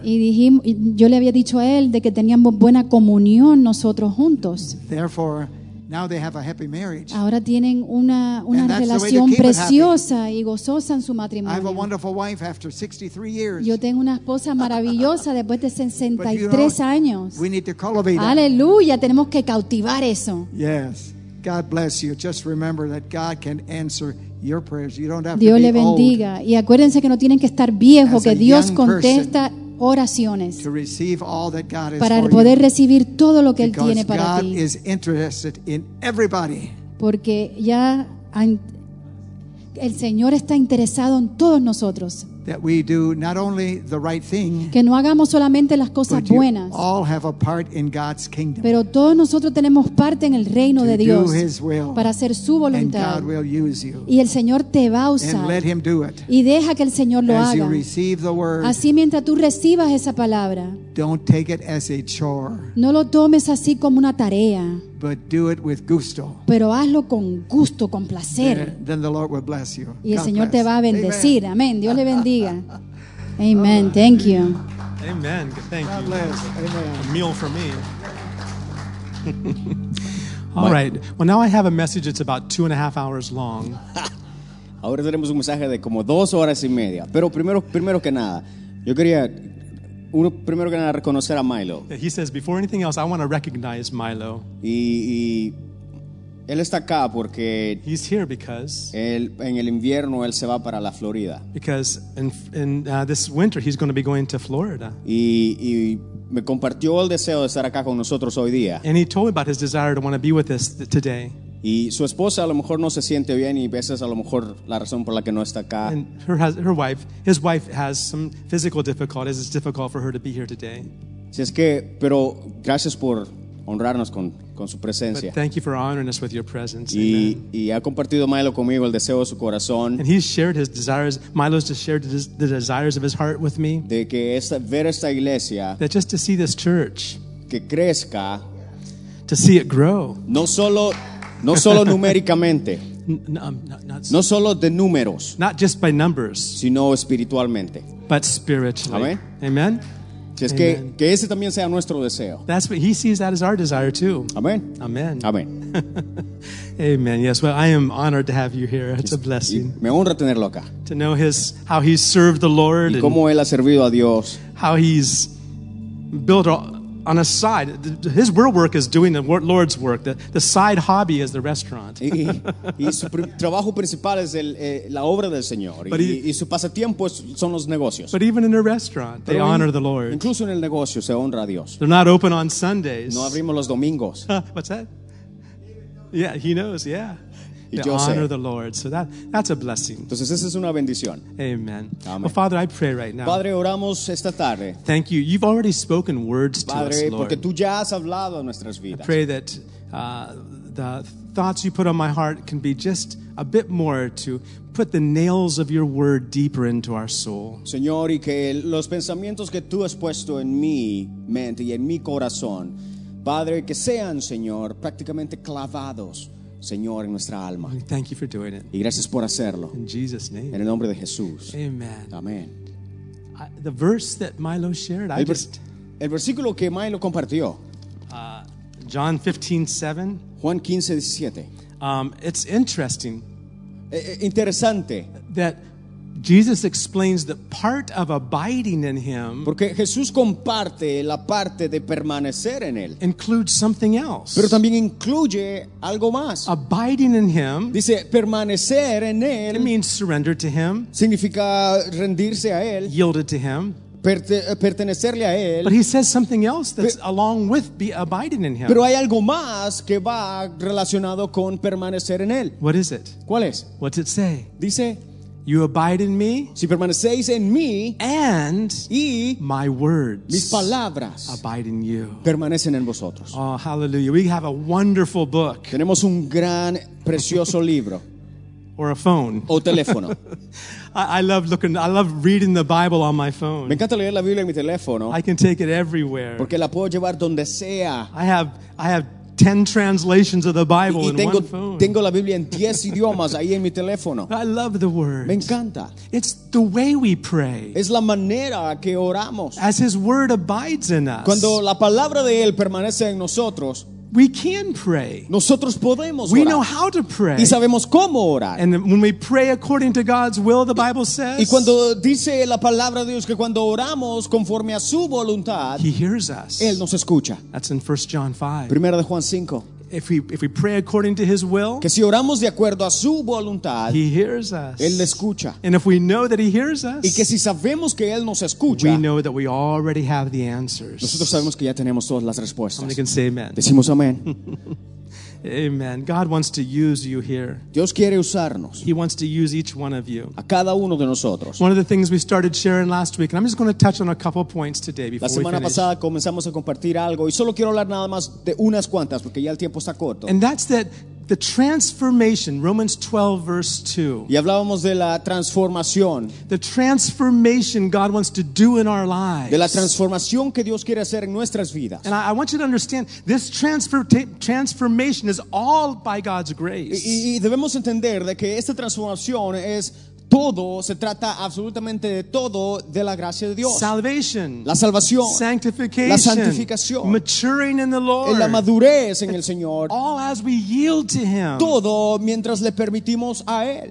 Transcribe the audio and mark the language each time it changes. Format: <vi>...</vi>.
<es>Y dijimos, yo le había dicho a él de que teníamos buena comunión nosotros juntos.</es> <en>Therefore, Now they have a happy marriage.</en> <es>Ahora tienen una relación preciosa y gozosa en su matrimonio.</es> <en>I have a wonderful wife after 63 years.</en> <es>Yo tengo una esposa maravillosa después de 63 años.</es> <en>We need to cultivate.</en> <es>Aleluya, tenemos que cautivar eso.</es> <en>Yes. God bless you. Just remember that God can answer your prayers. You don't have</en> <es>Dios le bendiga.</es> <en>Old.</en> <es>Y acuérdense que no tienen que estar viejo, que Dios contesta oraciones</es> <en>to receive all that God is</en> <es>para</es> <en>for</en> <es>poder</es> <en>you.</en> <es>Recibir todo lo que</es> <en>Because</en> <es>Él tiene para</es> <en>God</en> <es>ti.</es> <en>Is interested in everybody.</en> <es>Porque ya el Señor está interesado en todos nosotros.</es> <en>That we do not only the right thing,</en> <es>que no hagamos solamente las cosas</es> <en>but</en> <es>buenas,</es> <en>all have a part in God's kingdom,</en> <es>pero todos nosotros tenemos parte en el reino</es> <en>to</en> <es>de Dios</es> <en>do his will,</en> <es>para hacer su voluntad.</es> <en>And God will use you,</en> <es>y el Señor te va a usar.</es> <en>And let him do it,</en> <es>y deja que el Señor lo</es> <en>as</en> <es>haga.</es> <en>You receive the word,</en> <es>así mientras tú recibas esa palabra,</es> <en>don't take it as a chore,</en> <es>no lo tomes así como una tarea.</es> <en>But do it with gusto.</en> <es>Pero hazlo con gusto, con placer.</es> <en>Then the Lord will bless you.</en> <es>Y el Señor te va a bendecir. Amén. Dios le bendiga. Amen.</es> <en>Thank you. Amen. Thank you. God bless. Amen. A meal for me. All right. Well, now I have a message that's about 2.5 hours long.</en> <es>Ahora tenemos un mensaje de como 2 horas y media. Pero primero que nada, yo quería... Uno primero que nada reconocer a Milo.</es> <en>Yeah, he says, before anything else, I want to recognize Milo.</en> <es>Y él está acá porque</es> <en>he's here because</en> <es>él, en el invierno él se va para la Florida.</es> <en>Because in this winter he's going to be going to Florida.</en> <es>Y me compartió el deseo de estar acá con nosotros hoy día.</es> <en>And he told me about his desire to want to be with us today.</en> <es>Y su esposa a lo mejor no se siente bien y esa es a lo mejor la razón por la que no está acá.</es> <en>And his wife has some physical difficulties. It's difficult for her to be here today.</en> <es>Si es que, pero gracias por honrarnos con su presencia.</es> <en>But thank you for honoring us with your presence.</en> <es>Y ha compartido Milo conmigo el deseo de su corazón.</es> <en>And he's shared his desires. Milo's just shared the desires of his heart with me.</en> <es>De que ver esta iglesia.</es> <en>That just to see this church.</en> <es>Que crezca.</es> <en>To see it grow.</en> <es>No solo numéricamente. No solo de números.</es> <en>Not just by numbers.</en> <es>Sino espiritualmente.</es> <en>But spiritually. Amen. Amen. Si es que ese también sea nuestro deseo. That's what he sees, that as our desire too. Amen. Amen. Amen. Amen. Yes, well, I am honored to have you here. It's a blessing.</en> <es>Me honra tenerlo acá.</es> <en>To know how he's served the Lord.</en> <es>Y cómo él ha servido a Dios.</es> <en>How he's built all... On a side, his real work is doing the Lord's work. The side hobby is the restaurant.</en> <es>Y su trabajo principal es la obra del Señor. Y su pasatiempo son los negocios.</es> <en>But even in a restaurant, they honor the Lord.</en> <es>Incluso en el negocio se honra a Dios.</es> <en>They're not open on Sundays.</en> <es>No abrimos los domingos.</es> <en>What's that? Yeah, he knows. Yeah. To honor The Lord. So that's a blessing.</en> <es>Entonces, esa es una bendición. Amen. Amen.</es> <en>Well, Father, I pray right now.</en> <es>Padre, oramos esta tarde.</es> <en>Thank you. You've already spoken words</en> <es>Padre,</es> <en>to us, Lord.</en> <es>Porque tú ya has hablado a nuestras vidas.</es> <en>I pray that the thoughts you put on my heart can be just a bit more to put the nails of your word deeper into our soul.</en> <es>Señor, y que los pensamientos que tú has puesto en mi mente y en mi corazón, Padre, que sean, Señor, prácticamente clavados. Señor, en nuestra alma.</es> <en>Thank you for doing it.</en> <es>Y gracias por hacerlo.</es> <en>In Jesus' name.</en> <es>En el nombre de Jesús. Amen. Amen.</es> <en>The verse that Milo shared,</en> <es>el versículo que Milo compartió.</es> <en>John 15:7.</en> <es>Juan 15:17.</es> <en>It's interesting.</en> <es>Interesante.</es> <en>That Jesus explains the part of abiding in him.</en> <es>Porque Jesús comparte la parte de permanecer en él.</es> <en>Includes something else.</en> <es>Pero también incluye algo más.</es> <en>Abiding in him.</en> <es>Dice permanecer en él.</es> <en>It means surrender to him.</en> <es>Significa rendirse a él.</es> <en>Yielded to him.</en> <es>Pertenecerle a él.</es> <en>But he says something else that's along with be abiding in him.</en> <es>Pero hay algo más que va relacionado con permanecer en él.</es> <en>What is it?</en> <es>¿Cuál es?</es> <en>What's it say?</en> <es>Dice</es> <en>You abide in me.</en> <es>Si permanecéis en mí,</es> <en>and</en> <es>y</es> <en>my words,</en> <es>mis palabras,</es> <en>abide in you.</en> <es>Permanecen en vosotros.</es> <en>Oh, hallelujah! We have a wonderful book.</en> <es>Tenemos un gran, precioso libro.</es> <en>Or a phone.</en> <es>O teléfono.</es> <en>I love reading the Bible on my phone.</en> <es>Me encanta leer la Biblia en mi teléfono.</es> <en>I can take it everywhere.</en> <es>Porque la puedo llevar donde sea.</es> <en>I have 10 translations of the Bible in one phone.</en> <es>Tengo la Biblia en 10 idiomas ahí en mi teléfono.</es> <en>I love the word.</en> <es>Me encanta.</es> <en>It's the way we pray.</en> <es>Es la manera que oramos.</es> <en>As his word abides in us.</en> <es>Cuando la palabra de él permanece en nosotros.</es> <en>We can pray.</en> <es>Nosotros podemos orar.</es> <en>We know how to pray.</en> <es>Y sabemos cómo orar.</es> <en>And when we pray according to God's will, the Bible says.</en> <es>Y cuando dice la palabra de Dios que cuando oramos conforme a su voluntad,</es> <en>He hears us.</en> <es>Él nos escucha.</es> <en>That's in 1 John 5.</en> <es>Primera de Juan 5.</es> <en>If we pray according to His will,</en> <es>que si oramos de acuerdo a su voluntad,</es> <en>He hears us.</en> <es>Él escucha.</es> <en>And if we know that He hears us,</en> <es>y que si sabemos que Él nos escucha,</es> <en>we know that we already have the answers.</en> <es>Nosotros sabemos que ya tenemos todas las respuestas.</es> <en>Somebody can say amen.</en> <es>Decimos amén.</es> <en>Amen. God wants to use you here.</en> <es>Dios quiere usarnos.</es> <en>He wants to use each one of you.</en> <es>A cada uno de nosotros.</es> <en>One of the things we started sharing last week, and I'm just going to touch on a couple points today before we finish.</en> <es>La semana pasada comenzamos a compartir algo, y solo quiero hablar nada más de unas cuantas porque ya el tiempo está corto.</es> <en>And that's that the transformation, Romans 12 verse 2.</en> <es>Y hablábamos de la transformación.</es> <en>The transformation God wants to do in our lives.</en> <es>De la transformación que Dios quiere hacer en nuestras vidas.</es> <en>And I want you to understand this transformation is all by God's grace.</en> <es>Y debemos entender de que esta transformación es todo, se trata absolutamente de todo de la gracia de Dios.</es> <en>Salvation,</en> <es>la salvación,</es> <en>sanctification,</en> <es>la santificación,</es> <en>maturing in the Lord,</en> <es>la madurez en el Señor.</es> <en>All as we yield to Him.</en> <es>Todo mientras le permitimos a Él.</es>